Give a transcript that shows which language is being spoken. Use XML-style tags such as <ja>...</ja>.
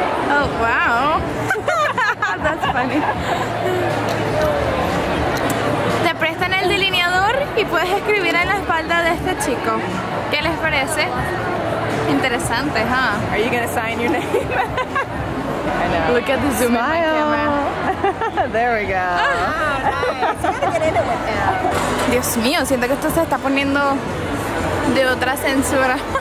<en>Oh, wow.</en> <es>Te prestan el delineador y puedes escribir en la espalda de este chico. ¿Qué les parece? Interesante, ¿huh?</es> <en>Are you gonna sign your name? I know. Look at the zoom in my camera. There we go. Oh, nice.</en> <es>Dios mío, siento que esto se está poniendo de otra censura.</es>